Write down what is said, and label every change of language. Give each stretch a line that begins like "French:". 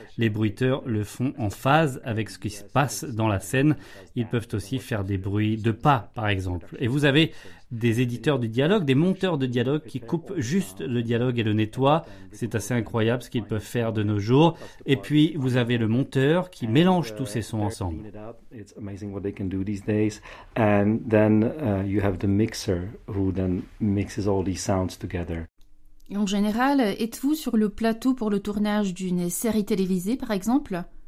French: Les bruiteurs le font en phase avec ce qui se passe dans la scène. Ils peuvent aussi faire des bruits de pas, par exemple. Et vous avez des éditeurs de dialogue, des monteurs de dialogue qui coupent juste le dialogue et le nettoient. C'est assez incroyable ce qu'ils peuvent faire de nos jours. Et puis, vous avez le monteur qui mélange tous ces sons ensemble.
English: It's amazing what they can do these days. And then you have the mixer who then mixes all these sounds together.
French: En général, êtes-vous sur le plateau pour le tournage d'une série télévisée, par exemple?